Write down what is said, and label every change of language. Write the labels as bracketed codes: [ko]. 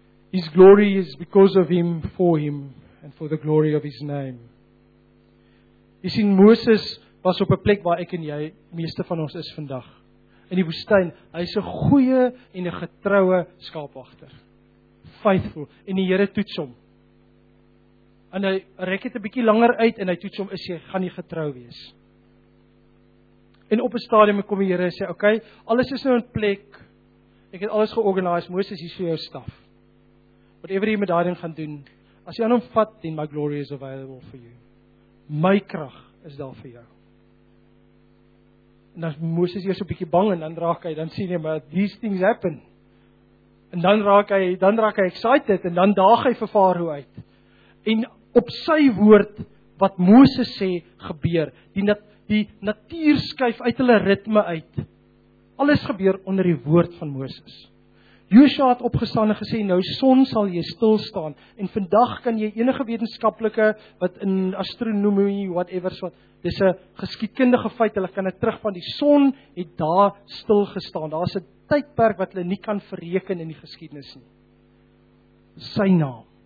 [en] His glory is because of him, for him, and for the glory of his name. [af] Jy sien, Moses was op 'n plek waar ek en jy, meeste van ons is vandag. In die woestyn, hy is 'n goeie en 'n getroue skaapwagter. Faithful, en die Here toets hom. En hy rek dit 'n bietjie langer uit en hy toets hom, is jy, gaan jy getrou wees? En op 'n stadium kom die Here en sê, okay, alles is nou in plek, ek het alles georganiseer, Moses, hier is jou staf. Whatever jy met daai ding gaan doen, as jy aan hom vat, [en] then my glory is available for you. [af] My krag is daar vir jou. En dan Moses eers 'n bietjie bang en dan raak hy, dan sien hy, maar [en] these things happen. [af] En dan raak hy excited en dan daag hy vir Farao uit. En op sy woord wat Moses sê gebeur, die natuur skuif uit hulle ritme uit. Alles gebeur onder die woord van Moses. Joshua het opgestaan en gesê, nou son sal jy stil staan. En vandag kan jy enige wetenskaplike wat in astronomie, whatever, so, dis 'n geskiedkundige feit, hulle kan dit terugvat, die son het daar stil gestaan. Daar is 'n tydperk wat hulle nie kan verreken in die geskiedenis nie. Sy naam.